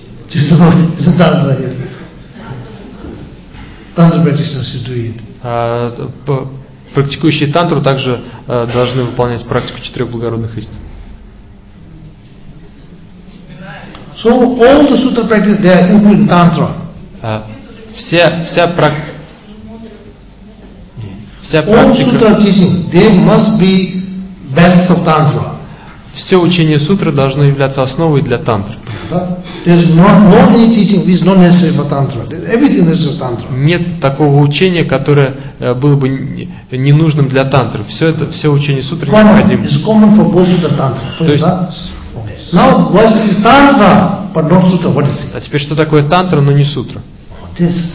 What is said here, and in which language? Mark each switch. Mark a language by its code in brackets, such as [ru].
[en] Tantra practitioners should do it. [ru] Практикующие тантру также должны выполнять практику четырех благородных истин. [en] So all the sutra practice they are included in tantra. [ru] Вся практика. [en] All sutra teaching they must be basis of tantra. [ru] Все учение сутры должно являться основой для тантры. [en] There's no any teaching which is not necessary for tantra. Everything is for tantra. [ru] Нет такого учения, которое было бы ненужным для тантры. Все учение сутры необходимо. [en] It's common for both sutra tantra. [ru] То есть, [en] now what is tantra, but not sutra? What is it? [ru] А теперь что такое тантра, но не сутра? [en] This.